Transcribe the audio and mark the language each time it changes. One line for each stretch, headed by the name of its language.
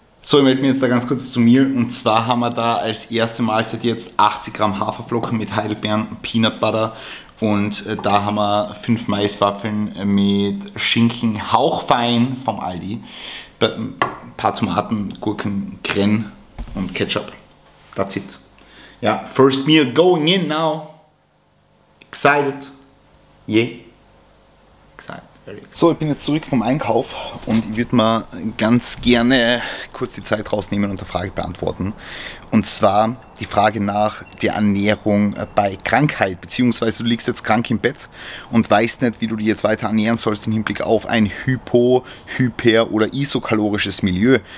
German: So, ich melde mich jetzt da ganz kurz zu mir und zwar haben wir da als erste Mahlzeit jetzt 80 Gramm Haferflocken mit Heidelbeeren, Peanut Butter und da haben wir 5 Maiswaffeln mit Schinken, hauchfein vom Aldi, ein paar Tomaten, Gurken, Creme und Ketchup.
English: That's it. Ja, first meal going in now. Excited. Yeah. Excited.
German: So, ich bin jetzt zurück vom Einkauf und ich würde mal ganz gerne kurz die Zeit rausnehmen und eine Frage beantworten. Und zwar die Frage nach der Ernährung bei Krankheit, beziehungsweise du liegst jetzt krank im Bett und weißt nicht, wie du dich jetzt weiter ernähren sollst im Hinblick auf ein hypo-, hyper- oder isokalorisches Milieu.